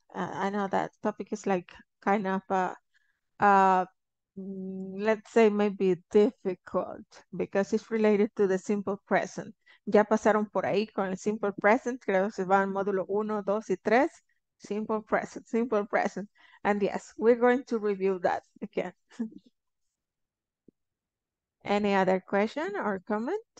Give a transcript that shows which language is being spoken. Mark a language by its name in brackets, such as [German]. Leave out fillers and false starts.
[English] I know that topic is like kind of let's say maybe difficult because it's related to the simple present. [Spanish] Ya pasaron por ahí con el simple present. Creo que se van módulo 1, 2 y 3. Simple present, simple present. [English] And yes, we're going to review that again. Any other question or comment?